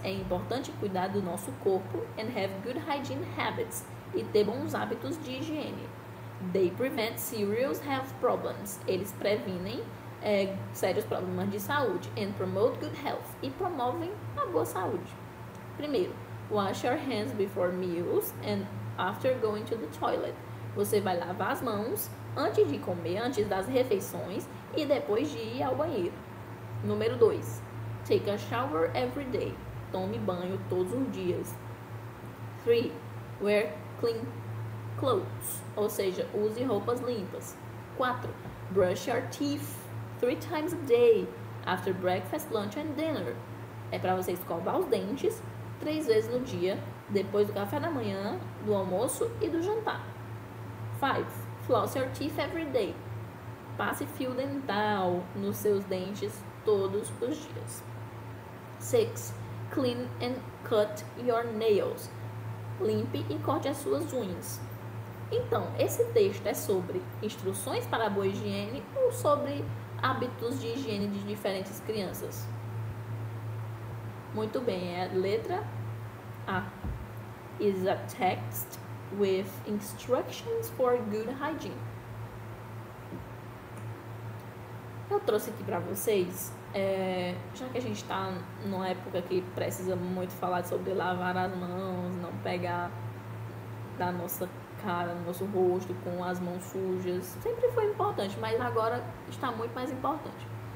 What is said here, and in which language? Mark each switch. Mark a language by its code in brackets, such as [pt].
[pt] É importante cuidar do nosso corpo [en] and have good hygiene habits [pt] e ter bons hábitos de higiene. [en] They prevent serious health problems. [pt] Eles previnem sérios problemas de saúde [en] and promote good health [pt] e promovem a boa saúde. [en] Primeiro, wash your hands before meals and after going to the toilet. [pt] Você vai lavar as mãos antes de comer, antes das refeições e depois de ir ao banheiro. Número 2. [en] Take a shower every day. [pt] Tome banho todos os dias. 3. [en] Wear clean clothes. [pt] Ou seja, use roupas limpas. 4. [en] Brush your teeth 3 times a day after breakfast, lunch and dinner. [pt] É para você escovar os dentes 3 vezes no dia, depois do café da manhã, do almoço e do jantar. 5. [en] Floss your teeth every day. [pt] Passe fio dental nos seus dentes todos os dias. 6. [en] Clean and cut your nails. [pt] Limpe e corte as suas unhas. Então, esse texto é sobre instruções para a boa higiene ou sobre hábitos de higiene de diferentes crianças? Muito bem, é a letra A. [en] Is a text with instructions for good hygiene. [pt] Eu trouxe aqui para vocês, já que a gente está numa época que precisa muito falar sobre lavar as mãos, não pegar da nossa cara, no nosso rosto com as mãos sujas, sempre foi importante, mas agora está muito mais importante.